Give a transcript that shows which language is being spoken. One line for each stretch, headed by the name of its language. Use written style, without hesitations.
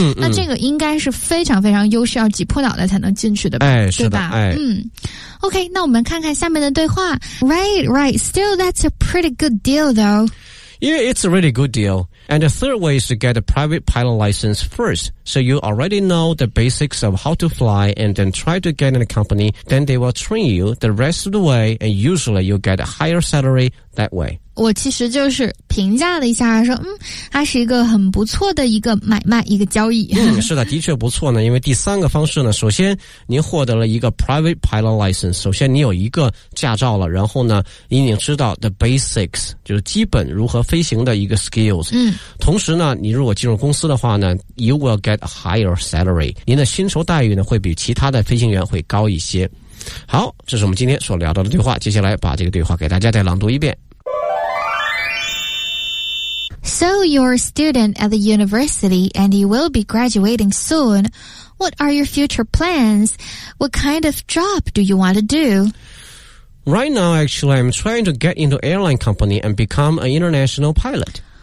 Chinese: 那这个应该是非常非常优势要挤破脑袋才能进去的吧。哎是的。对吧，哎、OK, 那我们看看下面的对话。
English: Right, right, still that's a pretty good deal though. Yeah, it's a really good deal. And the third way is to get a private pilot license first. So you already know the basics of how to fly and then try to get in a company. Then they will train you the rest of the way and usually you'll get a higher salary that way.
Chinese: 我其实就是评价了一下说它是一个很不错的一个买卖一个交易。是的的确不错呢，因为第三个方式呢首先您获得了一个 private pilot license, 首先你有一个驾照了，然后呢你已经知道 the basics, 就是基本如何飞行的一个 skills。同时呢你如果进入公司的话呢
English: you will get a higher salary,
Chinese: 您的薪酬待遇呢会比其他的飞行员会高一些。好，这是我们今天所聊到的对话，接下来把这个对话给大家再朗读一遍。
English: So you're a student at the university and you will be graduating soon. What are your future plans? What kind of job do you want to do? Right now, actually, I'm trying to get into airline company and become an international pilot.